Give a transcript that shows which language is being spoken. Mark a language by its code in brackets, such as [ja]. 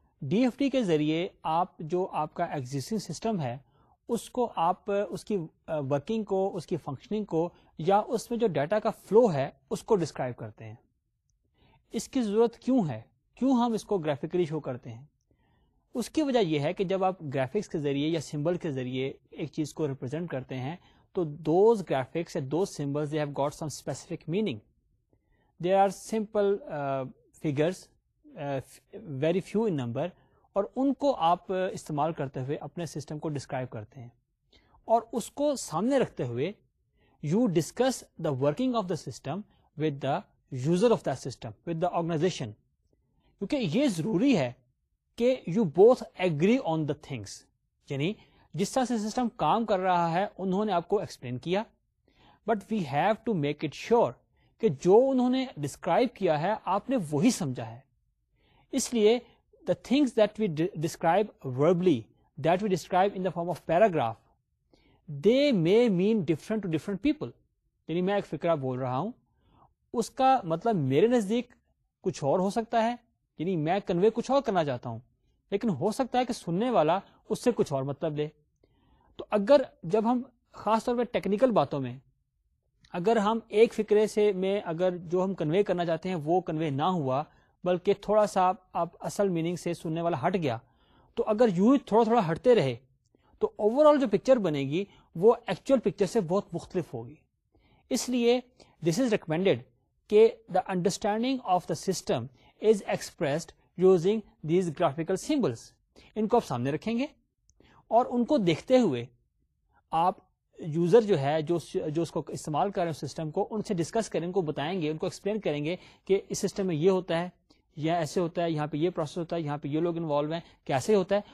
[ur] D F D کے ذریعے آپ جو آپ کا ایگزسٹنگ سسٹم ہے اس کو آپ اس کی ورکنگ کو, اس کی فنکشننگ کو, یا اس میں جو ڈیٹا کا فلو ہے اس کو ڈسکرائب کرتے ہیں. اس کی ضرورت کیوں ہے, کیوں ہم اس کو گرافکلی شو کرتے ہیں. اس کی وجہ یہ ہے کہ جب آپ گرافکس کے ذریعے یا سمبل کے ذریعے ایک چیز کو ریپرزینٹ کرتے ہیں تو [en] Those graphics یا those symbols they have got some specific meaning. They are simple figures, very few in number, [ur] اور ان کو آپ استعمال کرتے ہوئے اپنے سسٹم کو ڈسکرائب کرتے ہیں, اور اس کو سامنے رکھتے ہوئے [en] You discuss the working of the system with the user of the system with the organization. [ur] کیونکہ یہ ضروری ہے کہ [en] you both agree on the things, [ur] یعنی جس طرح سے سسٹم کام کر رہا ہے انہوں نے آپ کو ایکسپلین کیا, [en] but we have to make it sure [ur] کہ جو انہوں نے ڈسکرائب کیا ہے آپ نے وہی سمجھا ہے. اس لیے [en] The things that we describe verbally, that we describe in the form of paragraph, they may mean different to different people. [ur] یعنی میں ایک فکرہ بول رہا ہوں, اس کا مطلب میرے نزدیک کچھ اور ہو سکتا ہے, یعنی میں کنوے کچھ اور کرنا چاہتا ہوں, لیکن ہو سکتا ہے کہ سننے والا اس سے کچھ اور مطلب لے. تو اگر جب ہم خاص طور پہ ٹیکنیکل باتوں میں اگر ہم ایک فکرے سے میں اگر جو ہم کنوے کرنا چاہتے ہیں وہ کنوے نہ ہوا بلکہ تھوڑا سا آپ اصل میننگ سے سننے والا ہٹ گیا, تو اگر یوں ہی تھوڑا تھوڑا ہٹتے رہے تو اوور آل جو پکچر بنے گی وہ ایکچوئل پکچر سے بہت مختلف ہوگی. اس لیے [en] This is recommended کہ the understanding of the system is expressed using these graphical symbols. [ur] ان کو آپ سامنے رکھیں گے اور ان کو دیکھتے ہوئے آپ یوزر جو ہے جو اس کو استعمال کر رہے ہیں سسٹم کو ان سے ڈسکس کریں, ان کو بتائیں گے, ان کو ایکسپلین کریں گے کہ اس سسٹم میں یہ ہوتا ہے یا ایسے ہوتا ہے, یہاں پہ یہ پروسیس ہوتا ہے, یہاں پہ یہ لوگ انوالو ہیں, کیسے ہوتا ہے.